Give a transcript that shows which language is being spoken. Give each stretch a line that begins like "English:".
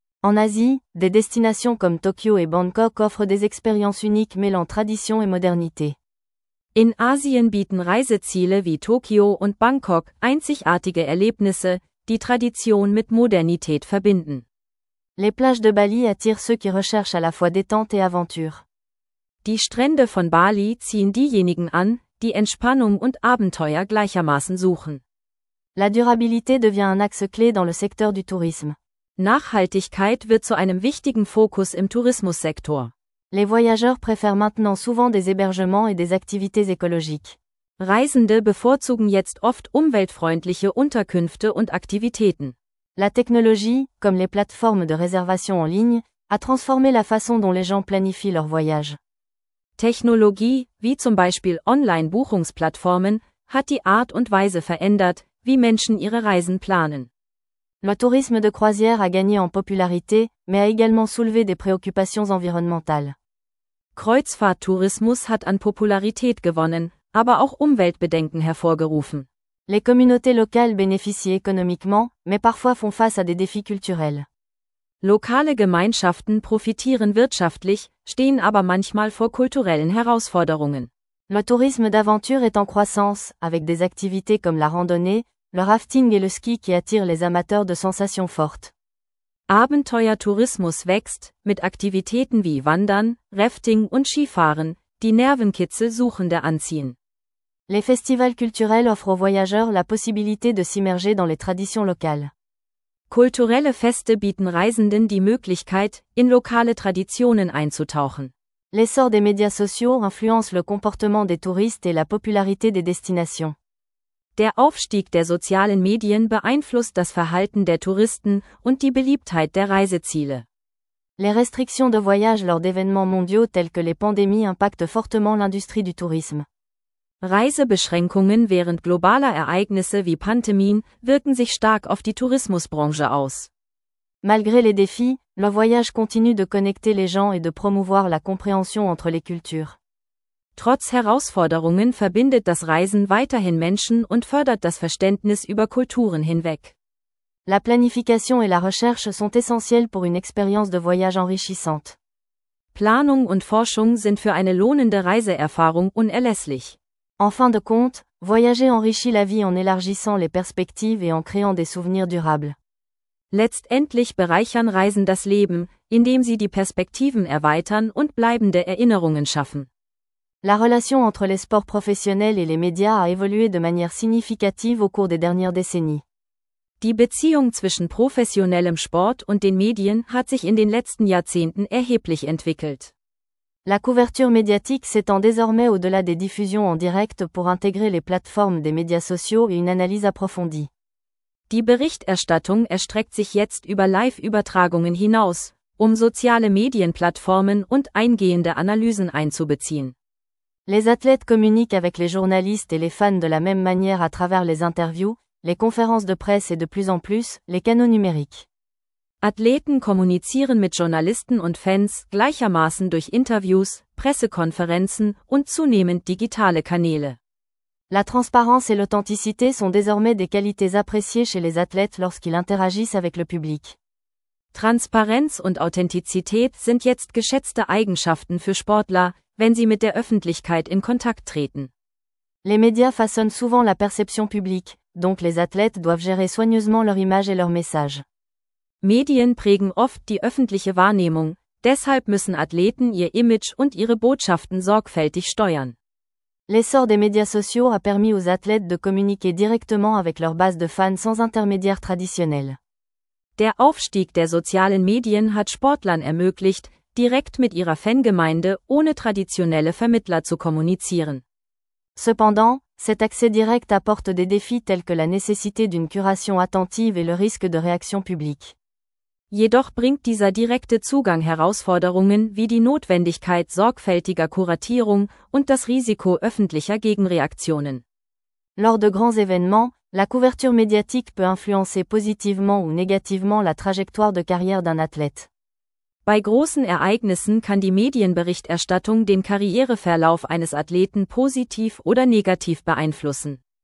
French: En Asie, des destinations comme Tokyo et Bangkok offrent des expériences uniques mêlant tradition et modernité.
German: In Asien bieten Reiseziele wie Tokio und Bangkok einzigartige Erlebnisse, die Tradition mit Modernität verbinden.
French: Les plages de Bali attirent ceux qui recherchent à la fois détente et aventure.
German: Die Strände von Bali ziehen diejenigen an, die Entspannung und Abenteuer gleichermaßen suchen.
French: La durabilité devient un axe clé dans le secteur du tourisme.
German: Nachhaltigkeit wird zu einem wichtigen Fokus im Tourismussektor.
French: Les voyageurs préfèrent maintenant souvent des hébergements et des activités écologiques.
German: Reisende bevorzugen jetzt oft umweltfreundliche Unterkünfte und Aktivitäten.
French: La technologie, comme les plateformes de réservation en ligne, a transformé la façon dont les gens planifient leur voyage.
German: Technologie, wie zum Beispiel Online-Buchungsplattformen, hat die Art und Weise verändert, wie Menschen ihre Reisen planen.
French: Le tourisme de croisière a gagné en popularité, mais a également soulevé des préoccupations environnementales.
German: Kreuzfahrttourismus hat an Popularität gewonnen, aber auch Umweltbedenken hervorgerufen.
French: Les communautés locales bénéficient économiquement, mais parfois font face à des défis culturels.
German: Lokale Gemeinschaften profitieren wirtschaftlich, stehen aber manchmal vor kulturellen Herausforderungen.
French: Le tourisme d'aventure est en croissance, avec des activités comme la randonnée, le rafting et le ski qui attirent les amateurs de sensations fortes.
German: Abenteuertourismus wächst, mit Aktivitäten wie Wandern, Rafting und Skifahren, die Nervenkitzel Suchende anziehen.
French: Les festivals culturels offrent aux voyageurs la possibilité de s'immerger dans les traditions locales.
German: Kulturelle Feste bieten Reisenden die Möglichkeit, in lokale Traditionen einzutauchen.
French: L'essor des médias sociaux influence le comportement des touristes et la popularité des destinations.
German: Der Aufstieg der sozialen Medien beeinflusst das Verhalten der Touristen und die Beliebtheit der Reiseziele.
French: Les restrictions de voyage lors d'événements mondiaux tels que les pandémies impactent fortement l'industrie du tourisme.
German: Reisebeschränkungen während globaler Ereignisse wie Pandemien wirken sich stark auf die Tourismusbranche aus.
French: Malgré les défis, le voyage continue de connecter les gens et de promouvoir la compréhension entre les cultures.
German: Trotz Herausforderungen verbindet das Reisen weiterhin Menschen und fördert das Verständnis über Kulturen hinweg.
French: La planification et la recherche sont essentielles pour une expérience de voyage enrichissante.
German: Planung und Forschung sind für eine lohnende Reiseerfahrung unerlässlich.
French: En fin de compte, Voyager enrichit la vie en élargissant les perspectives et en créant des souvenirs durables.
German: Letztendlich bereichern Reisen das Leben, indem sie die Perspektiven erweitern und bleibende Erinnerungen schaffen.
French: La relation entre les sports professionnels et les médias a évolué de manière significative au cours des dernières décennies.
German: Die Beziehung zwischen professionellem Sport und den Medien hat sich in den letzten Jahrzehnten erheblich entwickelt.
French: La couverture médiatique s'étend désormais au-delà des diffusions en direct pour intégrer les plateformes des médias sociaux et une analyse approfondie.
German: Die Berichterstattung erstreckt sich jetzt über Live-Übertragungen hinaus, um soziale Medienplattformen und eingehende Analysen einzubeziehen.
French: Les athlètes communiquent avec les journalistes et les fans de la même manière à travers les interviews, les conférences de presse et de plus en plus, les canaux numériques.
German: Athleten kommunizieren mit Journalisten und Fans gleichermaßen durch Interviews, Pressekonferenzen und zunehmend digitale Kanäle.
French: La transparence et l'authenticité sont désormais des qualités appréciées chez les athlètes lorsqu'ils interagissent avec le public.
German: Transparenz und Authentizität sind jetzt geschätzte Eigenschaften für Sportler, wenn sie mit der Öffentlichkeit in Kontakt treten.
French: Les médias façonnent souvent la perception publique, donc les athlètes doivent gérer soigneusement leur image et leur message.
German: Medien prägen oft die öffentliche Wahrnehmung, deshalb müssen Athleten ihr Image und ihre Botschaften sorgfältig steuern.
French: L'essor des médias sociaux a permis aux athlètes de communiquer directement avec leur base de fans sans intermédiaire traditionnel.
German: Der Aufstieg der sozialen Medien hat Sportlern ermöglicht, direkt mit ihrer Fangemeinde ohne traditionelle Vermittler zu kommunizieren.
French: Cependant, cet accès direct apporte des défis tels que la nécessité d'une curation attentive et le risque de réaction publique.
German: Jedoch bringt dieser direkte Zugang Herausforderungen wie die Notwendigkeit sorgfältiger Kuratierung und das Risiko öffentlicher Gegenreaktionen.
French: Lors de grands événements, la couverture médiatique peut influencer positivement ou négativement la trajectoire de carrière d'un athlète.
German: Bei großen Ereignissen kann die Medienberichterstattung den Karriereverlauf eines Athleten positiv oder negativ beeinflussen.